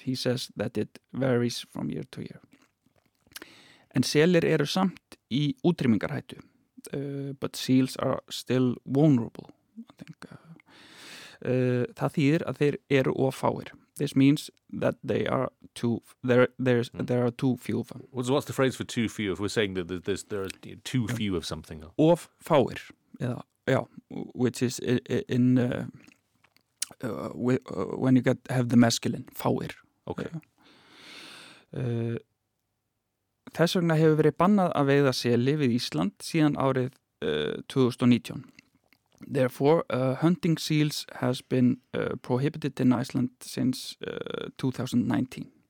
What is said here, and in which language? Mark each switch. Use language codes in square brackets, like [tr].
[en] He says that it varies from year to year. [is] En selir eru samt í útrýmingarhættu. [en] But seals are still vulnerable. I think. [is] Það þýðir að þeir eru of fáir. [en] This means that they are too there are too few of them. Well, so what's the phrase for too few? If we're saying that there are too few of something. [is] Of fáir, [en] yeah, which is in when you have the masculine fáir. Okay. [is] Þess vegna hefur verið bannað að veiða seli við Ísland síðan árið 2019. [en] Therefore, hunting seals has been prohibited in Iceland since 2019.